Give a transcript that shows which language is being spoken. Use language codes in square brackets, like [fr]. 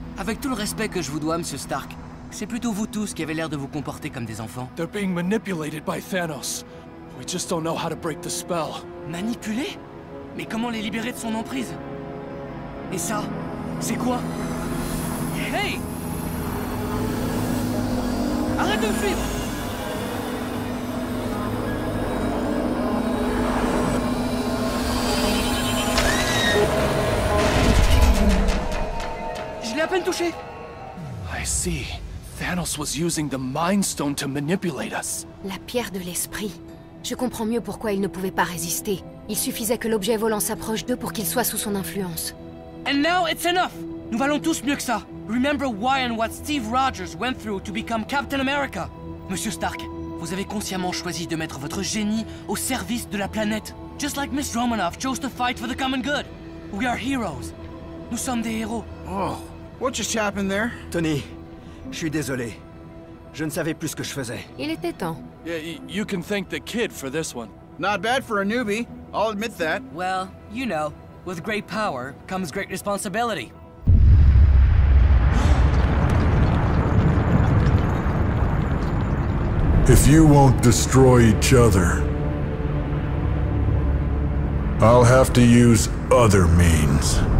[fr] Avec tout le respect que je vous dois, Monsieur Stark, c'est plutôt vous tous qui avez l'air de vous comporter comme des enfants. [en] They're being manipulated by Thanos. We just don't know how to break the spell. [fr] Manipuler? Mais comment les libérer de son emprise? Et ça, c'est quoi? Hey! Arrête de me suivre! Je l'ai à peine touché! [en] I see. Thanos was using the Mind Stone to manipulate us. [fr] La pierre de l'esprit. Je comprends mieux pourquoi il ne pouvait pas résister. Il suffisait que l'objet volant s'approche d'eux pour qu'il soit sous son influence. [en] And now it's enough! [fr] Nous valons tous mieux que ça. [en] Remember why and what Steve Rogers went through to become Captain America. [fr] Monsieur Stark, vous avez consciemment choisi de mettre votre génie au service de la planète. [en] Just like Miss Romanoff chose to fight for the common good. We are heroes. [fr] Nous sommes des héros. [en] Oh, what just happened there? [fr] Tony. Je suis désolé. Je ne savais plus ce que je faisais. Il était temps. [en] Yeah, you can thank the kid for this one. Not bad for a newbie. I'll admit that. Well, you know, with great power comes great responsibility. If you won't destroy each other, I'll have to use other means.